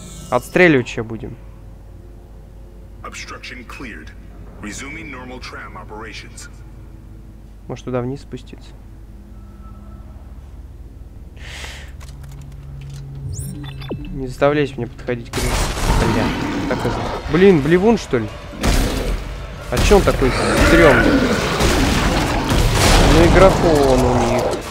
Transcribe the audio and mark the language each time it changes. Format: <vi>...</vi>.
<ru>Отстреливать сейчас будем. Обструкция</ru> <en>cleared. Resuming normal tram operations.</en> <ru>Может, туда вниз спуститься? Не заставляйте меня подходить к нему. Бля. Так, блин, блевун, что ли? А чё он такой стрёмный? Ну, игрофон у них.</ru>